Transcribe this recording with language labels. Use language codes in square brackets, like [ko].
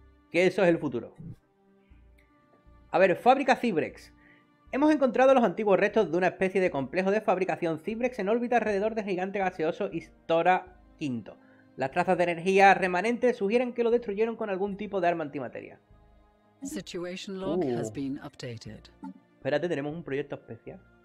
[es] Que eso es el futuro. A ver, fábrica Cibrex. Hemos encontrado los antiguos restos de una especie de complejo de fabricación Cibrex en órbita alrededor del gigante gaseoso Istora V. Las trazas de energía remanentes sugieren que lo destruyeron con algún tipo de arma antimateria. [en] Situation log has been updated. [es] Espérate, tenemos un proyecto especial.